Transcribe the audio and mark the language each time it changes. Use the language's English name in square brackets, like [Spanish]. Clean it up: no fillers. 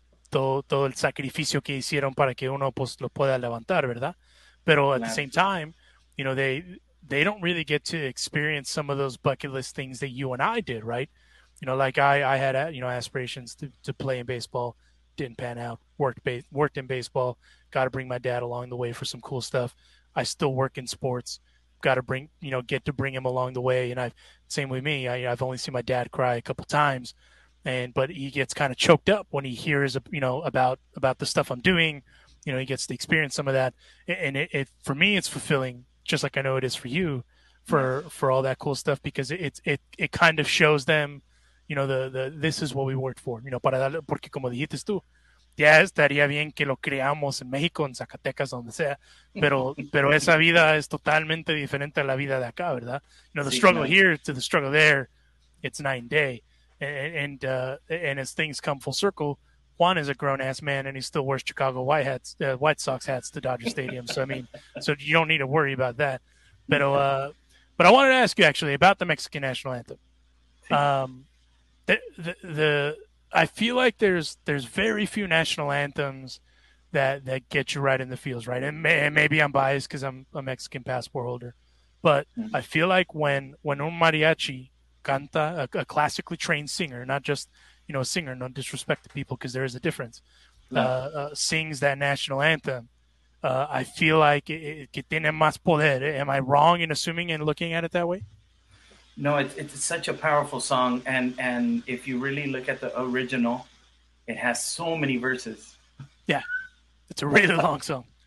[Spanish] Todo el sacrificio que hicieron para que uno pues lo pueda levantar, ¿verdad? [English] Pero at the same time, you know, they don't really get to experience some of those bucket list things that you and I did, right? You know, like I had, you know, aspirations to play in baseball, didn't pan out, worked in baseball, got to bring my dad along the way for some cool stuff. I still work in sports, got to bring, you know, get to bring him along the way. And I, same with me, I've only seen my dad cry a couple times. But he gets kind of choked up when he hears, you know, about the stuff I'm doing. You know, he gets to experience some of that. And it for me, it's fulfilling, just like I know it is for you, for all that cool stuff, because it kind of shows them, you know, the this is what we worked for. [Spanish] You know, para darle, porque como dijiste tú, ya estaría bien que lo creamos en México, en Zacatecas, donde sea. Pero esa vida es totalmente diferente a la vida de acá, ¿verdad? [English] You know, the struggle here to the struggle there, it's night and day. And as things come full circle, Juan is a grown ass man, and he still wears Chicago White hats, White Sox hats to Dodger Stadium. So I mean, so you don't need to worry about that. But I wanted to ask you actually about the Mexican national anthem. The I feel like there's very few national anthems that get you right in the feels, right? And maybe I'm biased because I'm a Mexican passport holder, but I feel like when [Spanish] un mariachi canta, [English] a classically trained singer, not just, you know, a singer, no disrespect to people because there is a difference. sings that national anthem. I feel like it [Spanish] tiene más poder. [English] Am I wrong in assuming and looking at it that way? No, it's such a powerful song. And if you really look at the original, it has so many verses. Yeah, it's a really long song.